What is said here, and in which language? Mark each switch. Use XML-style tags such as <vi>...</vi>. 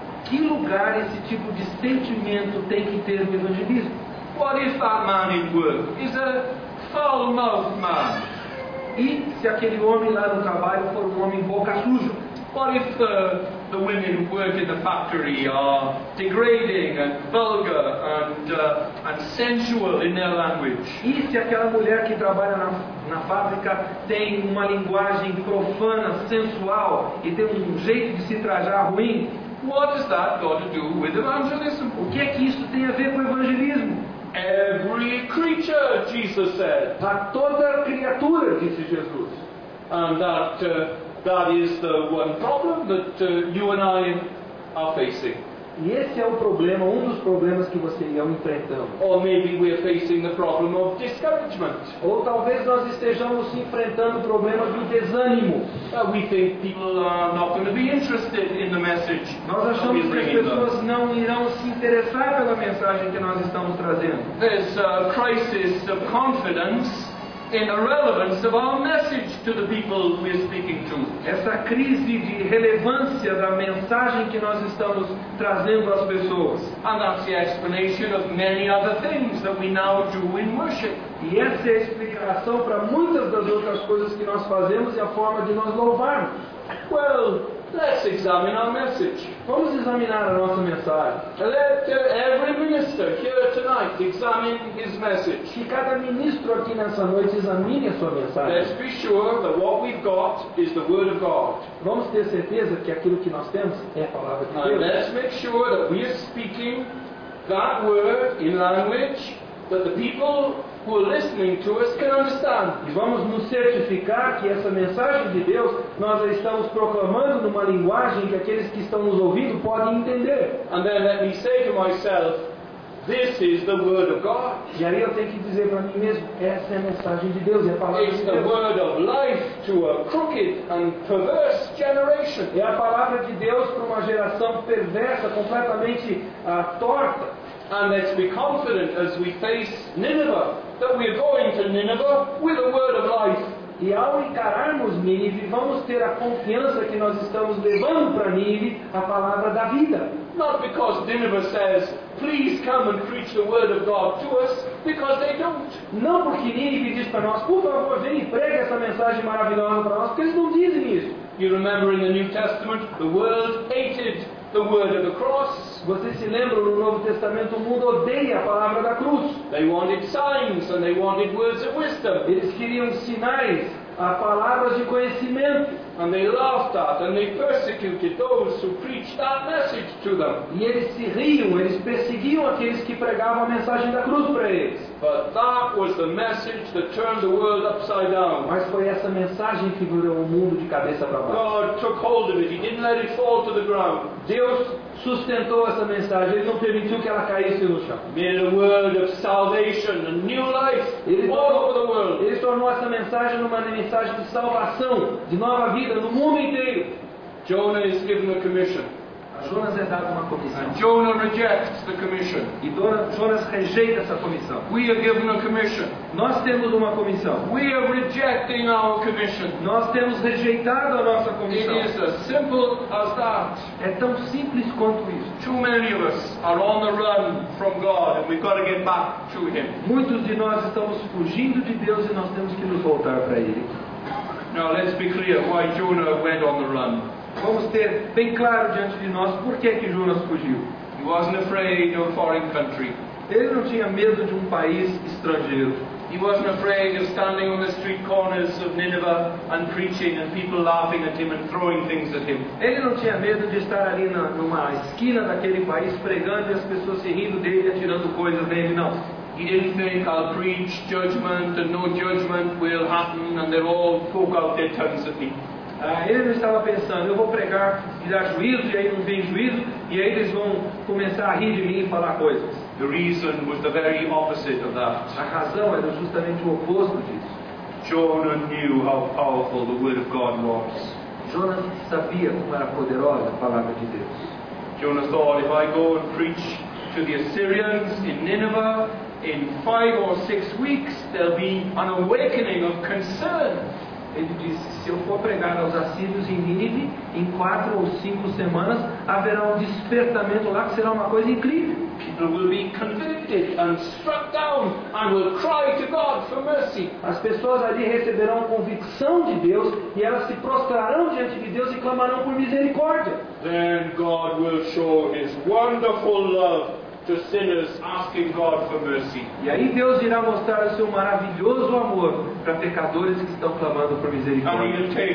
<pt>Que lugar esse tipo de sentimento tem que ter no evangelismo?</pt> <en>What if that man in work is a foul-mouthed man?</en> <pt>E se aquele homem lá no trabalho for um homem boca suja?</pt> <en>What if the women who work in the factory are degrading and vulgar and sensual in their language?</en> <pt>E se aquela mulher que trabalha na fábrica tem uma linguagem profana, sensual e tem um jeito de se trajar ruim?</pt> <en>What has that got to do with evangelism?</en> <pt>O que é que isso tem a ver com o evangelismo?</pt> <en>Every creature, Jesus said.</en> <pt>Para toda criatura, disse Jesus.</pt> <en>And that is the one problem that you and I are facing.</en> <pt>E esse é o problema, um dos problemas que você e eu enfrentamos.</pt> <en>Or maybe we are facing the problem of discouragement.</en> <pt>Ou talvez nós estejamos enfrentando o problema do desânimo.</pt> <en>We think people are not going to be interested in the message.</en> <pt>Nós achamos que as pessoas não irão se interessar pela mensagem que nós estamos trazendo.</pt> <en>There's a crisis of confidence in the relevance of our message to the people we are speaking to.</en> <pt>Essa crise de relevância da mensagem que nós estamos trazendo às pessoas.</pt> <en>And that's the explanation of many other things that we now do in worship.</en> <pt>E essa é a explicação para muitas das outras coisas que nós fazemos e a forma de nós louvarmos.</pt> <en>Well, let's examine our message.</en> <pt>Vamos examinar a nossa mensagem.</pt> <en>Let every minister here tonight examine his message.</en> <pt>Que cada ministro aqui nessa noite examine a sua mensagem.</pt> <en>Let's be sure that what we've got is the word of God.</en> <pt>Vamos ter certeza que aquilo que nós temos é a palavra de Deus.</pt> <en>And let's make sure that we are speaking that word in language that the people who are listening to us can understand.</en> <pt>E vamos nos certificar que essa mensagem de Deus nós a estamos proclamando numa linguagem que aqueles que estão nos ouvindo podem entender.</pt> <en>And then let me say to myself, this is the word of God.</en> <pt>E aí eu tenho que dizer para mim mesmo, essa é a mensagem de Deus, é a palavra</pt> <en>It's</en> <pt>de Deus.</pt> <en>The word of life to a crooked and perverse generation.</en> <pt>É a palavra de Deus para uma geração perversa, completamente torta.</pt> <en>And let's be confident as we face Nineveh, that we are going to Nineveh with the word of life.</en> <pt>E ao encararmos Nínive, vamos ter a confiança que nós estamos levando para Nínive a palavra da vida.</pt> <en>Not because Nineveh says, please come and preach the word of God to us, because they don't.</en> <pt>Não porque Nínive diz para nós, por favor, vem e pregue essa mensagem maravilhosa para nós, porque eles não dizem isso.</pt> <en>You remember in the New Testament, the world hated the word of the cross.</en> <pt>Vocês se lembram, no Novo Testamento o mundo odeia a palavra da cruz.</pt> <en>They wanted signs and they wanted words of wisdom.</en> <pt>Eles queriam sinais, a palavra de conhecimento.</pt> <en>And they laughed at and they persecuted those who preached that message to them.</en> <pt>E eles se riam, eles perseguiam aqueles que pregavam a mensagem da cruz para eles.</pt> <en>But that was the message that turned the world upside down.</en> <pt>Mas foi essa mensagem que virou o mundo de cabeça para baixo.</pt> <en>God took hold of it. He didn't let it fall to the ground.</en> <pt>Deus sustentou essa mensagem. Ele não permitiu que ela caísse no chão.</pt> <en>Made a word of salvation, a new life, all over the world.</en> <pt>Ele tornou essa mensagem numa mensagem de salvação, de nova vida no mundo inteiro.</pt> <en>Jonah is given a commission.</en> <pt>Jonas é dado uma comissão.</pt> <en>And Jonah rejects the commission.</en> <pt>E Jonas rejeita essa comissão.</pt> <en>We are given a commission.</en> <pt>Nós temos uma comissão.</pt> <en>We are rejecting our commission.</en> <pt>Nós temos rejeitado a nossa comissão.</pt> <en>It is as simple as that.</en> <pt>É tão simples quanto isso.</pt> <en>Too many of us are on the run from God, and we've got to get back to Him.</en> <pt>Muitos de nós estamos fugindo de Deus e nós temos que nos voltar para Ele.</pt> <en>Now let's be clear why Jonah went on the run.</en> <pt>Vamos ter bem claro diante de nós por que Jonas fugiu.</pt> <en>He wasn't afraid of a foreign country.</en> <pt>Ele não tinha medo de um país estrangeiro.</pt> <en>He wasn't afraid of standing on the street corners of Nineveh and preaching and people laughing at him and throwing things at him.</en> <pt>Ele não tinha medo de estar ali numa esquina daquele país pregando e as pessoas se rindo dele e atirando coisas nele, não.</pt> <en>He didn't think I'll preach judgment and no judgment will happen and they'll all poke out their tongues at me.</en> <pt>Ele não estava pensando, eu vou pregar e dar juízo, e aí não vem juízo, e aí eles vão começar a rir de mim e falar coisas.</pt> <en>The reason was the very opposite of that.</en> <pt>A razão era justamente o oposto disso.</pt> <en>Jonah knew how powerful the word of God was.</en> <pt>Jonas sabia como era poderosa a palavra de Deus.</pt> <en>Jonah thought, if I go and preach to the Assyrians in Nineveh, in 5 or 6 weeks, there'll be an awakening of concern.</en> <pt>Ele disse, se eu for pregar aos assírios em Nínive, em 4 ou 5 semanas, haverá um despertamento lá que será uma coisa incrível.</pt> <en>People will be convicted and struck down and will cry to God for mercy.</en> <pt>As pessoas ali receberão convicção de Deus e elas se prostrarão diante de Deus e clamarão por misericórdia.</pt> <en>Then God will show His wonderful love to sinners asking God for mercy.</en> <pt>E aí Deus irá mostrar o seu maravilhoso amor para pecadores que estão clamando por misericórdia.</pt>